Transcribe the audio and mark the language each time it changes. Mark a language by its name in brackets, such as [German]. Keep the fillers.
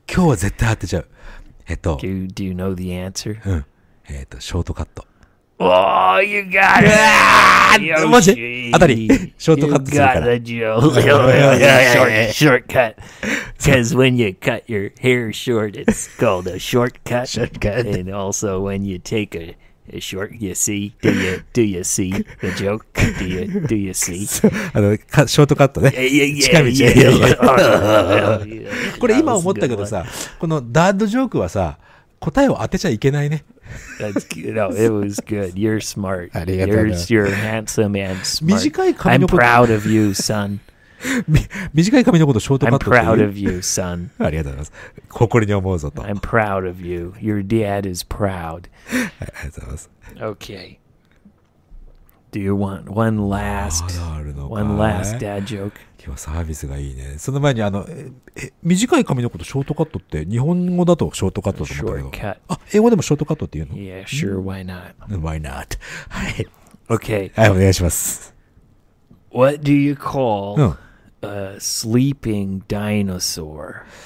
[Japanese] 今日は絶対当てちゃう。えっと。 [English] Do you know the answer? [Japanese] うん。えっ、ー、と、ショートカット。おー、 [English] you got it! [Japanese] うわーマジ当たり。ショートカットするから。 [English] You got it, Joe. short, shortcut. Cause when you cut your hair short, it's called a shortcut. shortcut. And also when you take a Short, you see? Do you, do you see the joke? Do you, do you see? [Japanese] あの、ショートカットね。近道。 [English] yeah, yeah, yeah. [Japanese] これ今思ったけどさ、このダッドジョークはさ、答えを当てちゃいけないね。 [English] That's good. No, it was good. You're smart. [Japanese] ありがとうございます。 [English] You're, you're handsome and smart. [Japanese] 短い髪の [English] I'm proud of you, son. [Japanese] 短い髪のことショートカットっていう。 [English] You, [Japanese] ありがとうございます。誇りに思うぞと 。 [English] I'm proud of you. Your dad is proud.、 [Japanese] はい、ありがとうございます。 [English] Okay. Do you want one last, one last dad joke? [Japanese] 今日サービスがいいね。その前にあのえ,え、短い髪のことショートカットって日本語だとショートカットと思ったけど。あ、英語でもショートカットって言うの [English] Yeah, sure, why not?Why not? why not? [Japanese] はい。 [English] Okay. [Japanese] はい、お願いします。 [English] What do you call?、 [Japanese] うん [English] a sleeping dinosaur.